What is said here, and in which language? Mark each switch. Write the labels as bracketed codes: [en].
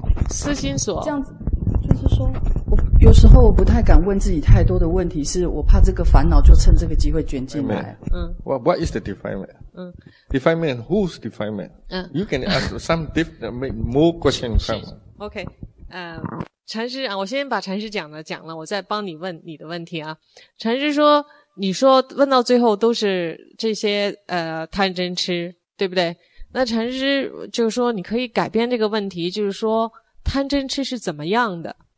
[zh] 私心所这样子，就是说我有有时候我不太敢问自己太多的问题，是我怕这个烦恼就趁这个机会卷进来。 [en] 嗯。What is the defilement? Defilement, who's defilement? You can ask some different, make more questions. Okay. [zh] 禅师啊，我先把禅师讲的讲了，我再帮你问你的问题啊。禅师说，你说问到最后都是这些贪嗔痴，对不对？那禅师就是说，你可以改变这个问题，就是说贪嗔痴是怎么样的？